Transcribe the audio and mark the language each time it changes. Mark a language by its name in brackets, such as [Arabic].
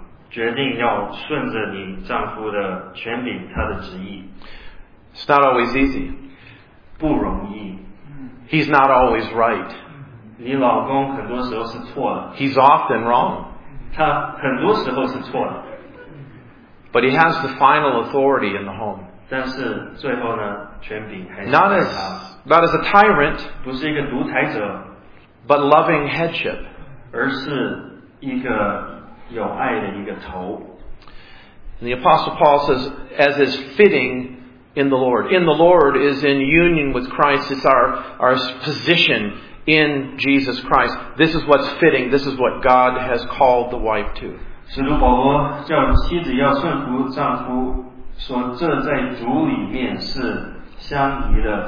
[Chinese] 决定要顺着你丈夫的权柄，他的旨意。 [English] It's not always easy. [Chinese] 不容易。 [English] He's not always right. [Chinese] 你老公很多时候是错的。 [English] He's often wrong. [Chinese] 他很多时候是错的。 [English] But he has the final authority in the home. [Chinese] 但是最后呢，权柄还是在他。 [English] Not as a tyrant. [Chinese] 不是一个独裁者。 [English] But loving headship. [Chinese] 而是一个。有爱的一个头。 [English] And the Apostle Paul says, as is fitting in the Lord. In the Lord is in union with Christ. It's our position in Jesus Christ. This is what's fitting. This is what God has called the wife to. [Chinese] 使徒保罗叫妻子要顺服丈夫，说这在主里面是相宜的。